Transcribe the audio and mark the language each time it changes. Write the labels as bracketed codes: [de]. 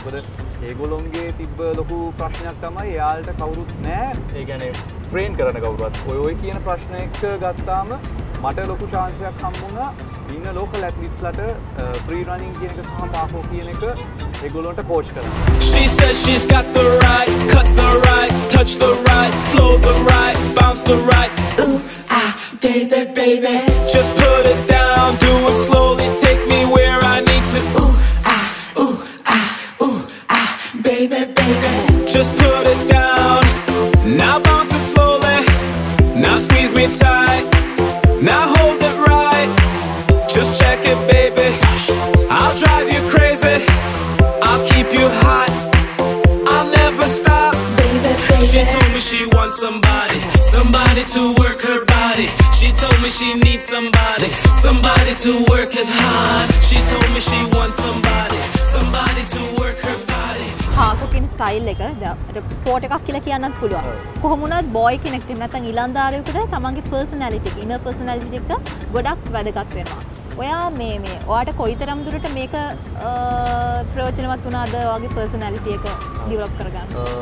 [si] මොකද ඒගොල්ලොන්ගේ තිබ්බ ලොකු ප්‍රශ්නයක් තමයි එයාලට කවුරුත් නැහැ. ඒ කියන්නේ ට්‍රේන් කරන කවුරුවත්. ඔය කියන ප්‍රශ්නයක ගත්තාම මට ලොකු චාන්ස් එකක් හම්බුණා ඉන්න ලෝකල් ඇත්ලීට්ස්ලට ෆ්‍රී රනින් කියන එක සහ පාකෝ කියන එක ඒගොල්ලන්ට කෝච් කරන්න. [en] She says she's got the right, cut the right, touch the right, flow the right, bounce the right. Ooh, ah, baby, baby. Just put it down, do it slowly, take me where I need to. Ooh, ah, ooh, ah, ooh, ah, baby, baby. Just put it down, now bounce it slowly, now squeeze me tight, now hold it right. Just check it, baby, I'll drive you crazy, I'll keep you hot. She told me she wants somebody, somebody to work her body. She told me she needs somebody, somebody to work it hard. She told me she wants somebody, somebody to work her body. [si] පාකෝකින් style එක sport එකක් කියලා කියන්නත් පුළුවන්. කොහොම වුණත් බොයි කෙනෙක් ඉන්න නැත්නම් ඉලන්දාරියෙකුට තමන්ගේ පර්සනැලිටි එක ඉනර් පර්සනැලිටි එක ගොඩක් වැදගත් වෙනවා. ඔයා මේ ඔයාට කොයිතරම් දුරට මේක ප්‍රයෝජනවත් වුණාද ඔයාගේ පර්සනැලිටි එක ඩෙවලොප් කරගන්න?